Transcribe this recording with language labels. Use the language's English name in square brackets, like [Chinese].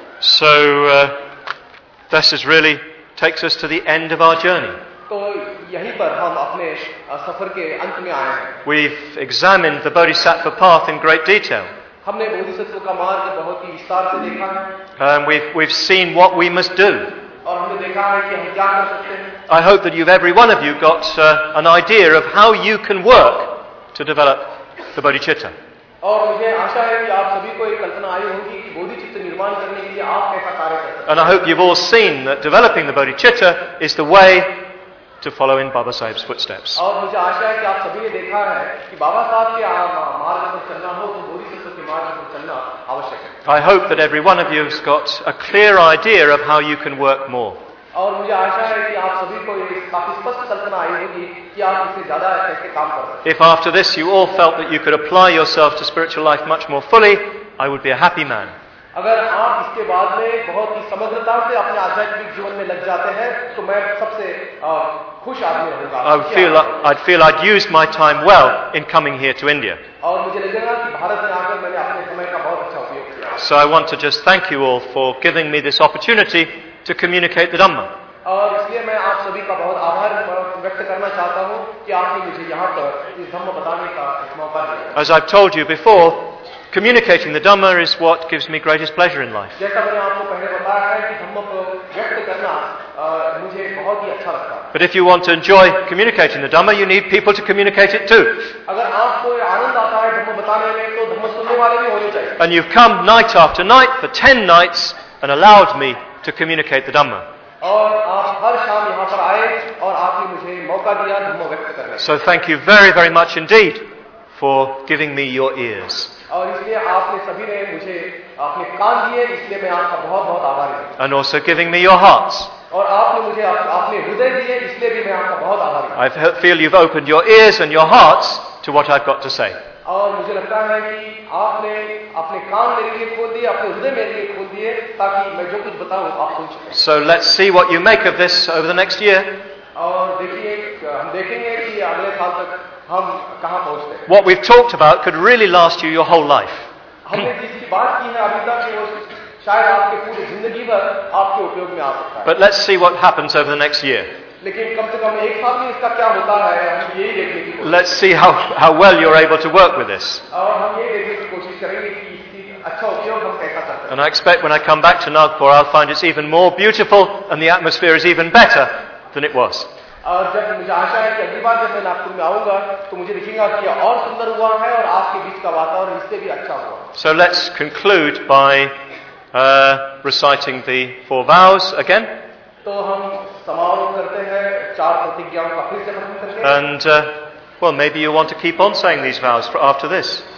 [English] So this is really takes us to the end of our journey. [Hindi] तो यहीं पर हम अपने सफर के अंत में आए हैं. [English] We've examined the Bodhisattva path in great detail. [Hindi] हमने बोधिसत्व का मार्ग बहुत ही विस्तार से देखा है. [English] We've seen what we must do. [Hindi] और हमने देखा है कि हम क्या कर सकते हैं. [English] I hope that you've every one of you got an idea of how you can work to develop the bodhicitta. [Hindi] और मुझे आशा है कि आप सभी को एक कल्पना आई होगी कि बोधिचित्त निर्माण करने के लिए आप कैसा कार्य करते हैं. [English] And I hope you've all seen that developing the bodhicitta is the way to follow in Baba Sahib's footsteps. [Hindi] और मुझे आशा है कि आप सभी ने देखा है कि बाबा साहब के मार्ग पर चलना हो तो बोधिचित्त के मार्ग पर चलना आवश्यक है. [English] I hope that every one of you has got a clear idea of how you can work more. [Hindi] और मुझे आशा है कि आप सभी को एक काफी स्पष्ट कल्पना आई होगी कि आप इससे ज्यादा कैसे काम कर सकते हैं. [English] If after this you all felt that you could apply yourself to spiritual life much more fully, I would be a happy man. [Hindi] अगर आप इसके बाद में बहुत ही समग्रता से अपने आध्यात्मिक जीवन में लग जाते हैं तो मैं सबसे खुश आदमी होगा. [English] I'd feel I'd used my time well in coming here to India. [Hindi] और मुझे लगेगा कि भारत में आकर मैंने अपने समय का बहुत अच्छा उपयोग किया. [English] So I want to just thank you all for giving me this opportunity to communicate the Dhamma. [Hindi] और इसलिए मैं आप सभी का बहुत आभार व्यक्त करना चाहता हूँ कि आपने मुझे यहाँ पर इस धम्म बताने का मौका दिया. [English] As I've told you before, communicating the Dhamma is what gives me greatest pleasure in life. [Hindi] जैसा मैंने आपको पहले बताया है कि धम्म को व्यक्त करना मुझे बहुत ही अच्छा लगता है. [English] But if you want to enjoy communicating the Dhamma, you need people to communicate it to. [Hindi] अगर आपको आनंद आता है धम्म बताने में तो धम्म सुनने वाले भी होने चाहिए. [English] And you've come night after night for 10 nights and allowed me to communicate the Dhamma. [Hindi] और आप हर शाम यहाँ पर आए और आपने मुझे मौका दिया धम्म व्यक्त करने का. [English] So thank you very, very much indeed for giving me your ears. [Hindi] और इसलिए आपने सभी ने मुझे आपने कान दिए इसलिए मैं आपका बहुत बहुत आभारी हूँ. [English] And also giving me your hearts. [Hindi] और आपने मुझे आपने हृदय दिए इसलिए भी मैं आपका बहुत आभारी हूँ. [English] I feel you've opened your ears and your hearts to what I've got to say. [Hindi] और मुझे लगता है कि आपने अपने कान मेरे लिए खोल दिए अपने हृदय मेरे लिए खोल दिए ताकि मैं जो कुछ बताऊँ आप सुन सकें. [English] So let's see what you make of this over the next year. [Hindi] और देखिए हम देखेंगे कि अगले साल तक हम कहाँ पहुँचते हैं. [English] What we've talked about could really last you your whole life. [Hindi] हमने जिसकी बात की है अभी तक वो शायद आपके पूरी जिंदगी भर आपके उपयोग में आ सकता है. [English] But let's see what happens over the next year. [Hindi] लेकिन कम से कम एक साल में इसका क्या होता है हम यही देखने की कोशिश करेंगे. [English] Let's see how well you're able to work with this. [Hindi] और हम ये देखने की कोशिश करेंगे कि इसकी अच्छा उपयोग हम कैसा करते हैं. [English] And I expect when I come back to Nagpur, I'll find it's even more beautiful and the atmosphere is even better than it was. [Hindi] और जब मुझे आशा है कि अगली बार जब मैं नागपुर में आऊंगा तो मुझे दिखेगा कि और सुंदर हुआ है और आपके बीच का वातावरण इससे भी अच्छा हुआ. [English] So let's conclude by reciting the four vows again. [Hindi] तो हम समापन करते हैं चार प्रतिज्ञाओं का फिर से पठन करते हैं. [English] And well, maybe you want to keep on saying these vows for after this.